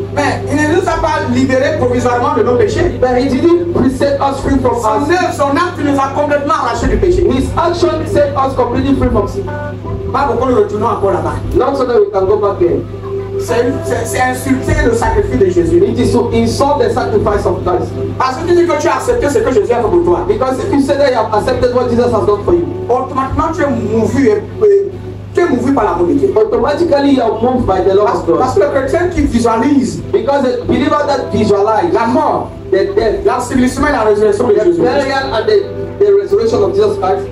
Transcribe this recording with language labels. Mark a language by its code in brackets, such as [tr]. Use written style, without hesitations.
[fr] Mais il ne nous a pas libérés provisoirement de nos péchés. [en] But he didn't preset us free from sin. [fr] Son acte nous a complètement arraché du péché. [en] His action set us completely free from sin. [fr] Pas pour que nous retournions encore là-bas. [en] Not so that we can go back again. [fr] C'est insulter le sacrifice de Jésus. [en] It is to insult the sacrifice of Christ. [fr] Parce que tu dis que tu as accepté ce que Jésus a fait pour toi. [en] Because if you say that you have accepted what Jesus has done for you. [fr] Automatiquement tu es mouvu par la bonté. [en] Automatically you are moved by the love of God. [fr] Parce que le chrétien qui visualise. [en] Because the believer that visualize [fr] la mort, [en] the death, [fr] l'assouvissement et la résurrection de Jésus. [en] The burial and the resurrection of Jesus Christ.